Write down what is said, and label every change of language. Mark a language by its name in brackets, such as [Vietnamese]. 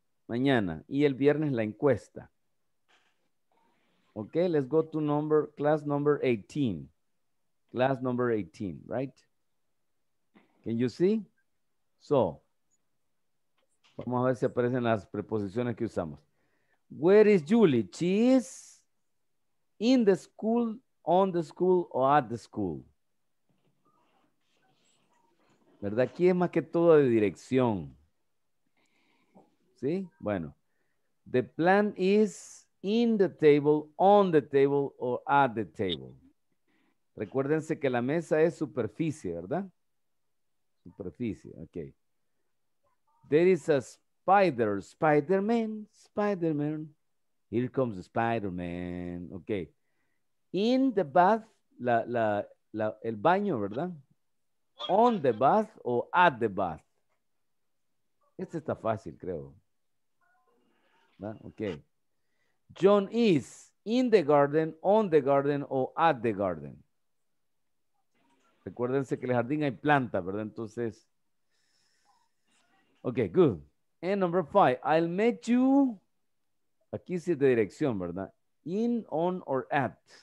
[Spanish] Mañana, y el viernes la encuesta. [English] Okay, let's go to class number 18. Class number 18, right? Can you see? [Spanish] So, vamos a ver si aparecen las preposiciones que usamos. [English] Where is Julie? She is in the school, on the school, or at the school. [Spanish] ¿Verdad? Aquí es más que todo de dirección. ¿Sí? Bueno. [English] The plan is in the table, on the table, or at the table. [Spanish] Recuérdense que la mesa es superficie, ¿verdad? Superficie, ok. [English] There is a spider, Spider-Man. Here comes Spider-Man, ok. In the bath, [Spanish] el baño, ¿verdad? [English] On the bath o at the bath. [Spanish] Este está fácil, creo. ¿Verdad? [English] Ok. John is in the garden, on the garden, o at the garden. [Spanish] Recuérdense que en el jardín hay plantas, ¿verdad? Entonces, ok, good. [English] And number 5, I'll meet you, [Spanish] aquí sí es de dirección, ¿verdad? [English] In, on, or at.